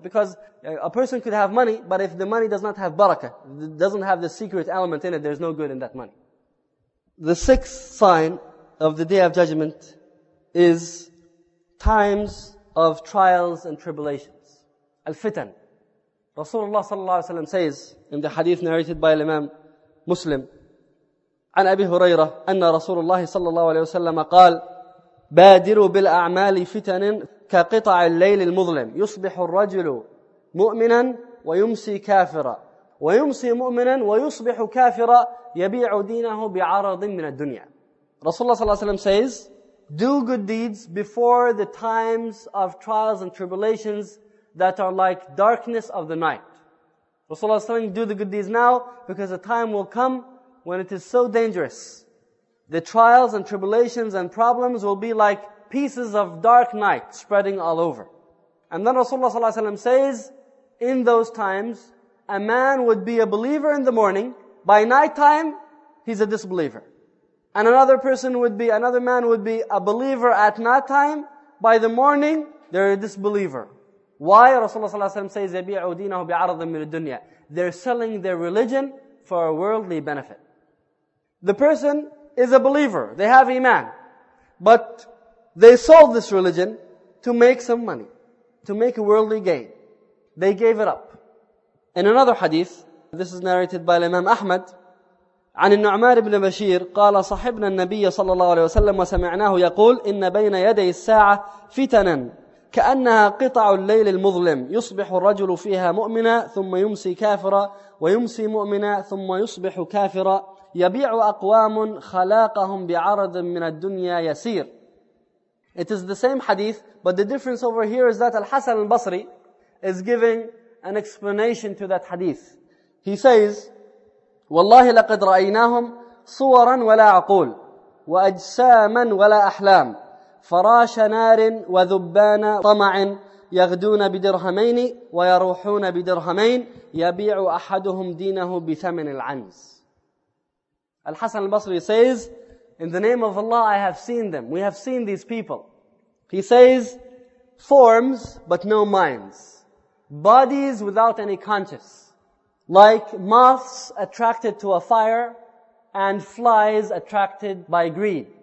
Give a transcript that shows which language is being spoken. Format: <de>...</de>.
<en>Because a person could have money, but if the money does not have barakah, doesn't have the secret element in it, there's no good in that money. The sixth sign of the Day of Judgment is times of trials and tribulations. Al-fitan. Rasulullah sallallahu alayhi wa sallam says in the hadith narrated by Imam Muslim,</en> <ar>عن أبي هريرة أن رسول الله صلى الله عليه وسلم قال بادروا بالأعمال فتن كقطع الليل المظلم يصبح الرجل مؤمنا ويمسي كافرا ويمسي مؤمنا ويصبح كافرا يبيع دينه بعرض من الدنيا.</ar> <en>رسول الله صلى الله عليه وسلم says, do good deeds before the times of trials and tribulations that are like darkness of the night. رسول الله صلى الله عليه وسلم, do the good deeds now because the time will come when it is so dangerous. The trials and tribulations and problems will be like pieces of dark night spreading all over. And then Rasulullah sallallahu alayhi wa sallam says, in those times, a man would be a believer in the morning. By night time, he's a disbeliever. And another man would be a believer at night time. By the morning, they're a disbeliever. Why? Rasulullah sallallahu alayhi wa sallam says,</en> <ar>يَبِيعُوا دِينَهُ بِعَرَضٍ مِنَ الدُّنْيَا.</ar> <en>They're selling their religion for a worldly benefit. The person is a believer, they have iman, but they sold this religion to make some money, to make a worldly gain. They gave it up. In another hadith, this is narrated by Imam Ahmad,</en> <ar>عن النعمان بن بشير قال صحبنا النبي صلى الله عليه وسلم وسمعناه يقول إن بين يدي الساعة فتنا كأنها قطع الليل المظلم يصبح الرجل فيها مؤمنا ثم يمسي كافرا ويمسي مؤمنا ثم يصبح كافرا يبيع أقوام خلاقهم بعرض من الدنيا يسير.</ar> <en>It is the same hadith, but the difference over here is that Al-Hasan al-Basri is giving an explanation to that hadith. He says,</en> <ar>والله لقد رأيناهم صورا ولا عقول وأجساما ولا أحلام فراش نار وذبان طمع يغدون بدرهمين ويروحون بدرهمين يبيع أحدهم دينه بثمن العنز.</ar> <en>Al-Hasan al-Basri says, in the name of Allah, I have seen them. We have seen these people. He says, forms, but no minds. Bodies without any conscience. Like moths attracted to a fire and flies attracted by greed.</en>